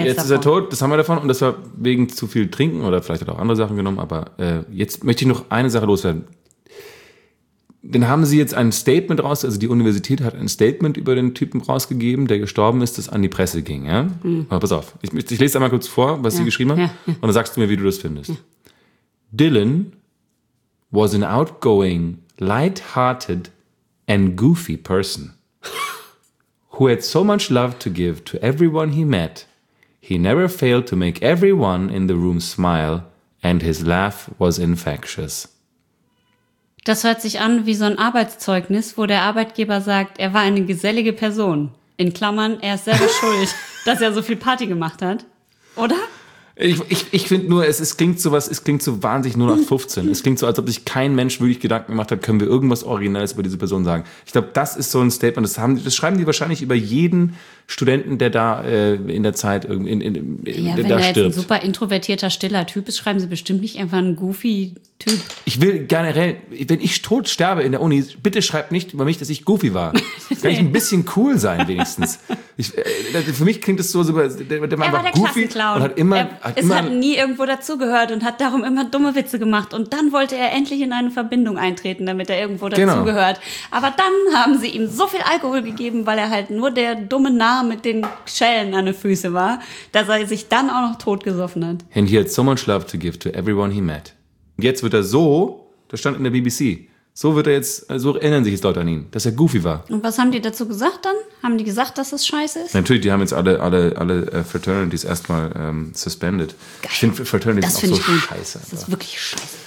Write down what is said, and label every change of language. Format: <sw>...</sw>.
<de>davon. Jetzt ist er tot, das haben wir davon und das war wegen zu viel Trinken oder vielleicht hat er auch andere Sachen genommen, aber jetzt möchte ich noch eine Sache loswerden. Dann haben sie jetzt ein Statement die Universität hat ein Statement über den Typen rausgegeben, der gestorben ist, das an die Presse ging. Ja? Aber pass auf, ich lese einmal kurz vor, was sie geschrieben haben und dann sagst du mir, wie du das findest.</de> <en>Dylan was an outgoing, light-hearted and goofy person who had so much love to give to everyone he met. He never failed to make everyone in the room smile and his laugh was infectious.</en> <de>Das hört sich an wie so ein Arbeitszeugnis, wo der Arbeitgeber sagt, er war eine gesellige Person. In Klammern, er ist selber schuld, dass er so viel Party gemacht hat. Oder? Ich finde nur, es klingt so wahnsinnig 0815. Es klingt so, als ob sich kein Mensch wirklich Gedanken gemacht hat, können wir irgendwas Originelles über diese Person sagen. Ich glaube, das ist so ein Statement. Das schreiben die wahrscheinlich über jeden Studenten, der da in der Zeit irgendwie da stirbt. Ja, wenn er jetzt ein super introvertierter, stiller Typ ist, schreiben sie bestimmt nicht einfach einen goofy Typ. Ich will generell, wenn ich tot sterbe in der Uni, bitte schreibt nicht über mich, dass ich goofy war. Kann ich ein bisschen cool sein wenigstens. Für mich klingt es so, der war einfach der goofy Klassenclown. Hat nie irgendwo dazugehört und hat darum immer dumme Witze gemacht. Und dann wollte er endlich in eine Verbindung eintreten, damit er irgendwo dazugehört. Genau. Aber dann haben sie ihm so viel Alkohol gegeben, weil er halt nur der dumme Narr mit den Schellen an den Füßen war, dass er sich dann auch noch totgesoffen hat.</de> <en>And he had so much love to give to everyone he met.</en> <de>Und jetzt wird er so, das stand in der BBC, so wird er jetzt, also erinnern sich jetzt Leute an ihn, dass er goofy war. Und was haben die dazu gesagt dann? Haben die gesagt, dass das scheiße ist? Natürlich, die haben jetzt alle Fraternities erstmal suspended. Geil. Ich finde Fraternities auch so scheiße. Das ist wirklich scheiße.</de>